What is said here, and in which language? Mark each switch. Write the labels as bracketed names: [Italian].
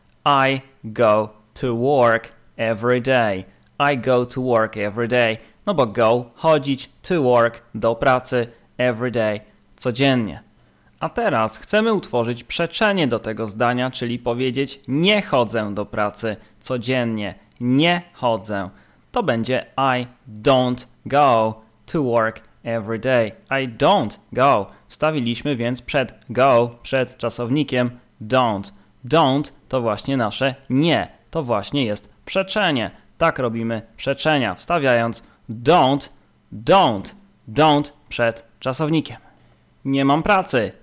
[English] I go to work every day. I go to work every day. [Polish] No bo [English] go, chodzić, to work, do pracy, every day, codziennie. [Polish] A teraz chcemy utworzyć przeczenie do tego zdania, czyli powiedzieć nie chodzę do pracy codziennie. Nie chodzę. To będzie [English] I don't go to work every day. I don't go. [Polish] Wstawiliśmy więc przed go, przed czasownikiem don't. Don't to właśnie nasze nie. To właśnie jest przeczenie. Tak robimy przeczenia, wstawiając don't, don't, don't przed czasownikiem. Nie mam pracy.